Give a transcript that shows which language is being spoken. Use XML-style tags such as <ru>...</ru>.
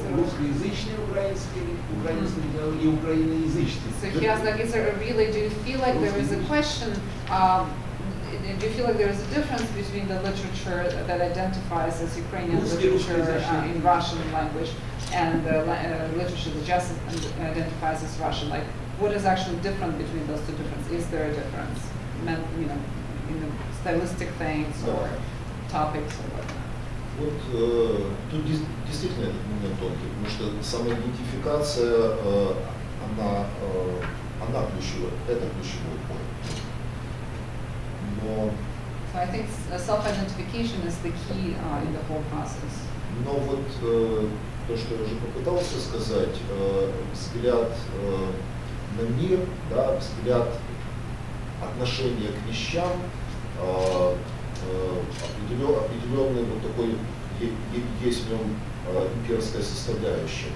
<ru>русскоязычным украинским и украиноязычным.</ru> <en>So he asked, like, is there really, do you feel like there is a question, do you feel like there is a difference between the literature that identifies as Ukrainian literature in Russian language and the literature that just identifies as Russian, like, what is actually different between those two differences? Is there a difference, you know, in the stylistic things or topics or whatnot?</en> <ru>Вот тут действительно этот момент тонкий, потому что самоидентификация, она ключевая, это ключевой</ru> <en>point. Но... So I think self-identification is the key in the whole process.</en> <ru>Но вот то, что я уже попытался сказать, взгляд... на мир, да, взгляд, отношение к вещам, определенный вот такой есть в нем имперская составляющая.</ru>